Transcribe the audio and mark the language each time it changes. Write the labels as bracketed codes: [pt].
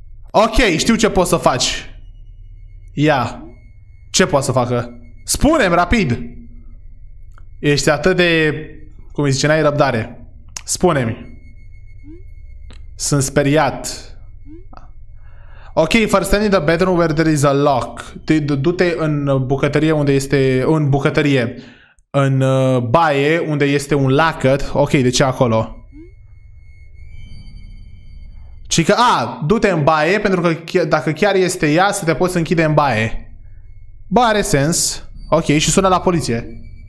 [ro] Ok, știu ce poți să faci. Ia. Ce poți să facă? Spune-mi, rapid. Ești atât de, cum îi zice, n-ai răbdare. Spune-mi. Sunt speriat. [en] Ok, first stand in the bedroom where there is a lock. [ro] Du-te în bucătărie unde este... În bucătărie. În baie unde este un lacăt. Ok, de ce acolo? Ci că, du-te în baie pentru că dacă chiar este ea, să te poți închide în baie. Bă, are sens. Ok, și sună la poliție.